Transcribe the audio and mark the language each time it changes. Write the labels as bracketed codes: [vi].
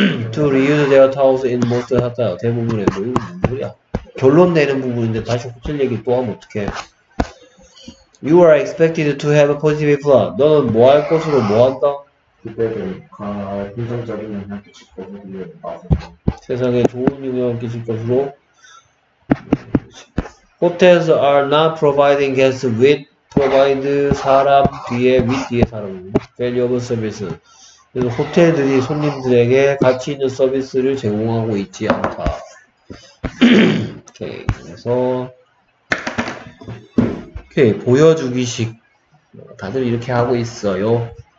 [en] to reuse their towels in most of the time. [ko] 대부분의 뭐 이거 무슨 소리야? 결론 내는 부분인데 다시 호텔 얘기 또 하면 어떡해? [en] You are expected to have a positive influence. [ko] 너는 뭐 할 것으로 뭐 한다? 긍정적인 영향 끼칠 것으로. 세상에 좋은 영향 끼칠 것으로. [en] Hotels are not providing guests with provide [ko] 사람 뒤에 with 뒤에 사람 [en] valuable service. [ko] 그래서 호텔들이 손님들에게 가치 있는 서비스를 제공하고 있지 않다. 오케이. 그래서 오케이, 보여주기식. 다들 이렇게 하고 있어요.